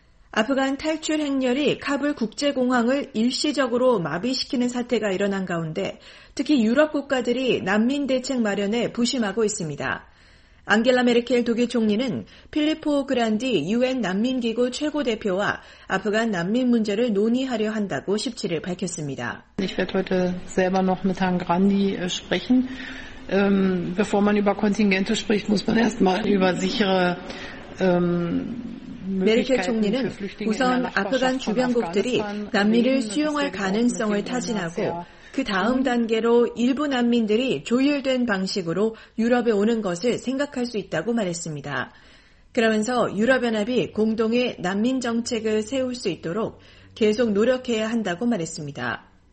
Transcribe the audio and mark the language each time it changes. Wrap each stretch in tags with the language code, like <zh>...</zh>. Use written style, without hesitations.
<ko>아프간 탈출 행렬이 카불 국제공항을 일시적으로 마비시키는 사태가 일어난 가운데 특히 유럽 국가들이 난민 대책 마련에 부심하고 있습니다. 앙겔라 메르켈 독일 총리는 필리포 그란디 유엔 난민기구 최고대표와 아프간 난민 문제를 논의하려 한다고 17일 밝혔습니다.</ko> <de>Ich werde heute selber noch mit Herrn Grandi sprechen. Bevor man über Kontingente spricht, muss man erstmal über sichere</de> <ko>Meritel 총리는 우선 아프간 주변국들이 난민을 수용할 가능성을 타진하고 그 다음 단계로 일부 난민들이 조율된 방식으로 유럽에 오는 것을 생각할 수 있다고 말했습니다. 그러면서 유럽연합이 공동의 난민 정책을 세울 수 있도록 계속 노력해야 한다고 말했습니다.</ko>